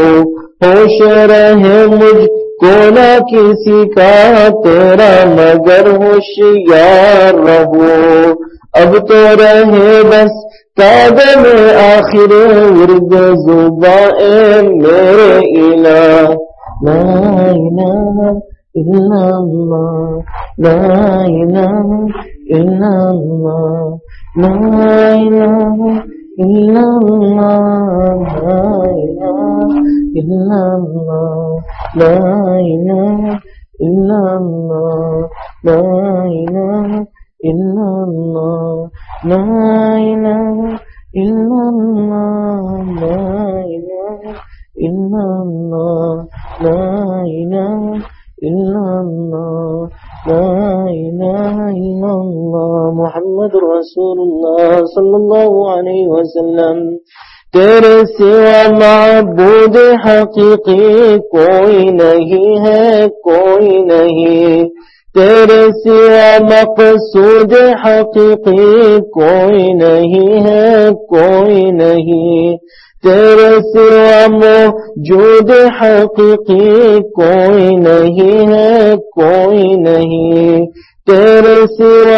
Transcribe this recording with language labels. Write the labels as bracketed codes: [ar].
[ur] ہوش رہے مجھ کونا کسی کا، تیرا مگر ہوشیار رہو. اب تو رہے بس کعبے میں آخر ورد زبان اے میرے الہ. [ar] لا الہ الا اللہ، لا الہ الا اللہ، لا الہ الا اللہ، لا الہ إلا الله، لا إله إلا الله، لا إله إلا الله، لا إله إلا الله، لا إله إلا الله، لا إله إلا الله، لا إله إلا الله. محمد رسول الله صلى الله عليه وسلم. [ur] تیرے سوا معبود حقیقی کوئی نہیں ہے، کوئی نہیں. تیرے سے مقصود حقیقی کوئی نہیں ہے کوئی نہیں، تیرے سے موجود حقیقی کوئی نہیں ہے کوئی نہیں، تیرے سے